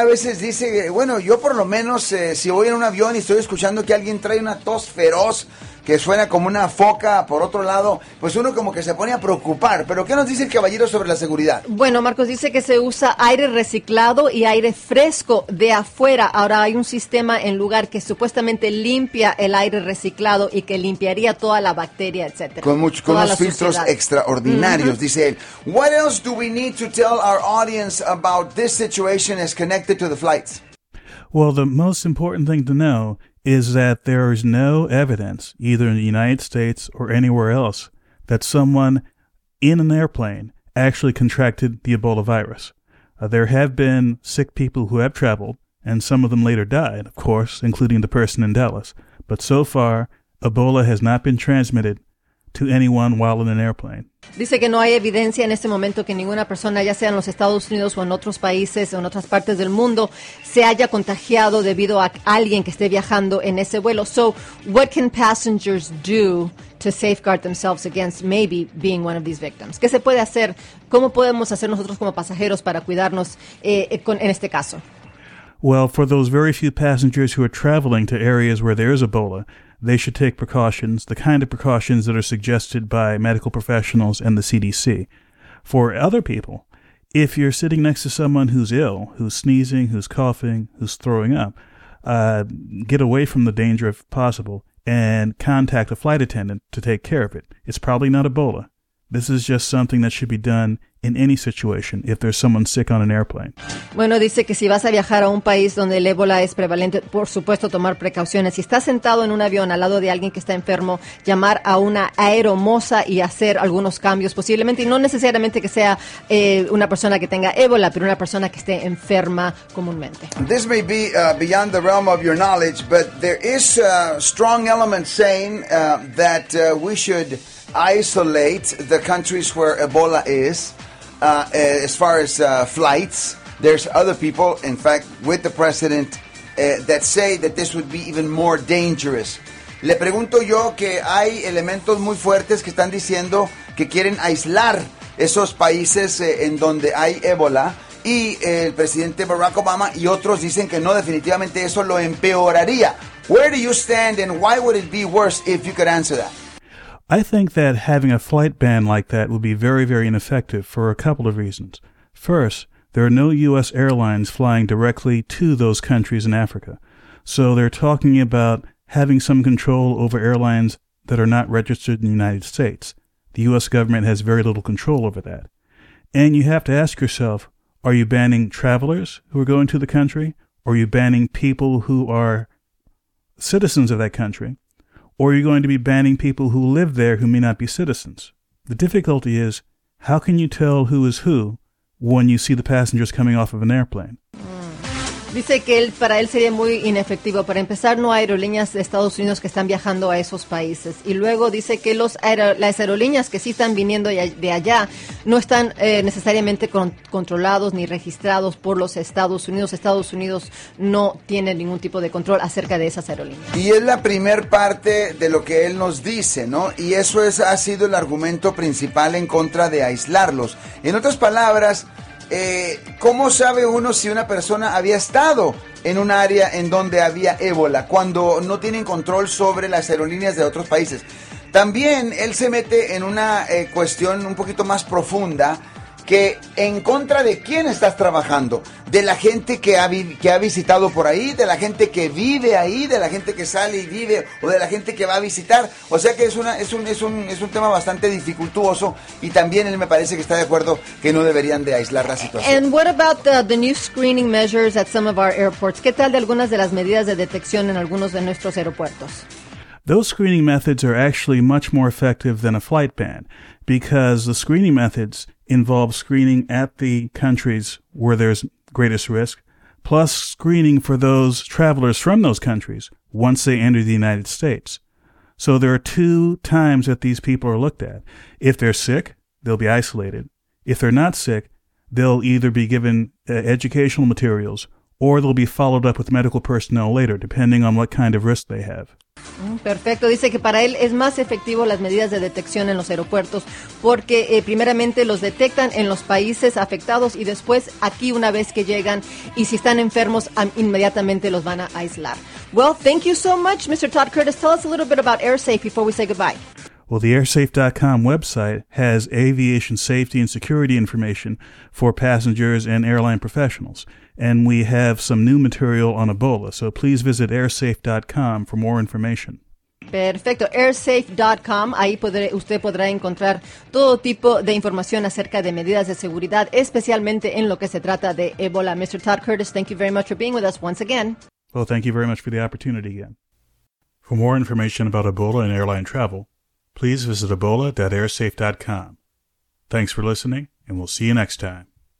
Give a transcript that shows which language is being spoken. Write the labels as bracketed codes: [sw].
[es] A veces dice, bueno, yo por lo menos, si voy en un avión y estoy escuchando que alguien trae una tos feroz, que suena como una foca por otro lado, pues uno como que se pone a preocupar. ¿Pero qué nos dice el caballero sobre la seguridad? Bueno, Marcos dice que se usa aire reciclado y aire fresco de afuera. Ahora hay un sistema en lugar que supuestamente limpia el aire reciclado y que limpiaría toda la bacteria, etcétera. Con los filtros suciedad. Extraordinarios, dice él. [en] What else do we need to tell our audience about this situation as connected to the flights? Well, the most important thing to know is that there is no evidence, either in the United States or anywhere else, that someone in an airplane actually contracted the Ebola virus. There have been sick people who have traveled, and some of them later died, of course, including the person in Dallas. But so far, Ebola has not been transmitted to anyone while in an airplane. [es] Dice que no hay evidencia en este momento que ninguna persona, ya sea en los Estados Unidos o en otros países o en otras partes del mundo, se haya contagiado debido a alguien que esté viajando en ese vuelo. [en] So, what can passengers do to safeguard themselves against maybe being one of these victims? [es] ¿Qué se puede hacer? ¿Cómo podemos hacer nosotros como pasajeros para cuidarnos en este caso? [en] Well, for those very few passengers who are traveling to areas where there is Ebola, they should take precautions, the kind of precautions that are suggested by medical professionals and the CDC. For other people, if you're sitting next to someone who's ill, who's sneezing, who's coughing, who's throwing up, get away from the danger if possible and contact a flight attendant to take care of it. It's probably not Ebola. This is just something that should be done in any situation, if there's someone sick on an airplane. [es] Bueno, dice que si vas a viajar a un país donde el ébola es prevalente, por supuesto, tomar precauciones. Si estás sentado en un avión al lado de alguien que está enfermo, llamar a una aeromoza y hacer algunos cambios posiblemente. Y no necesariamente que sea una persona que tenga ébola, pero una persona que esté enferma comúnmente. [en] This may be beyond the realm of your knowledge, but there is a strong element saying that we should isolate the countries where Ebola is, as far as flights. There's other people, in fact, with the president, that say that this would be even more dangerous. [es] Le pregunto yo que hay elementos muy fuertes que están diciendo que quieren aislar esos países en donde hay Ebola, y el presidente Barack Obama y otros dicen que no, definitivamente eso lo empeoraría. [en] Where do you stand and why would it be worse if you could answer that? I think that having a flight ban like that would be very, very ineffective for a couple of reasons. First, there are no U.S. airlines flying directly to those countries in Africa. So they're talking about having some control over airlines that are not registered in the United States. The U.S. government has very little control over that. And you have to ask yourself, are you banning travelers who are going to the country? Or are you banning people who are citizens of that country? Or are you going to be banning people who live there who may not be citizens? The difficulty is, how can you tell who is who when you see the passengers coming off of an airplane? [es] Dice que él, para él sería muy inefectivo. Para empezar, no hay aerolíneas de Estados Unidos que están viajando a esos países. Y luego dice que las aerolíneas que sí están viniendo de allá no están necesariamente controlados ni registrados por los Estados Unidos. Estados Unidos no tiene ningún tipo de control acerca de esas aerolíneas. Y es la primer parte de lo que él nos dice, ¿no? Y eso ha sido el argumento principal en contra de aislarlos. En otras palabras, ¿cómo sabe uno si una persona había estado en un área en donde había ébola cuando no tienen control sobre las aerolíneas de otros países? También él se mete en una cuestión un poquito más profunda, que en contra de quién estás trabajando, de la gente que ha visitado por ahí, de la gente que vive ahí, de la gente que sale y vive, o de la gente que va a visitar. O sea que es un tema bastante dificultuoso, y también él me parece que está de acuerdo que no deberían de aislar la situación. [en] And what about the new screening measures at some of our airports? [es] ¿Qué tal de algunas de las medidas de detección en algunos de nuestros aeropuertos? [en] Those screening methods are actually much more effective than a flight ban, because the screening methods involve screening at the countries where there's greatest risk, plus screening for those travelers from those countries once they enter the United States. So there are two times that these people are looked at. If they're sick, they'll be isolated. If they're not sick, they'll either be given educational materials or they'll be followed up with medical personnel later, depending on what kind of risk they have. [es] Perfecto. Dice que para él es más efectivo las medidas de detección en los aeropuertos porque primeramente los detectan en los países afectados y después aquí una vez que llegan y si están enfermos, inmediatamente los van a aislar. [en] Well, thank you so much, Mr. Todd Curtis. Tell us a little bit about AirSafe before we say goodbye. Well, the airsafe.com website has aviation safety and security information for passengers and airline professionals. And we have some new material on Ebola, so please visit airsafe.com for more information. [es] Perfecto, airsafe.com, ahí usted podrá encontrar todo tipo de información acerca de medidas de seguridad, especialmente en lo que se trata de Ebola. [en] Mr. Todd Curtis, thank you very much for being with us once again. Well, thank you very much for the opportunity again. For more information about Ebola and airline travel, please visit ebola.airsafe.com. Thanks for listening, and we'll see you next time.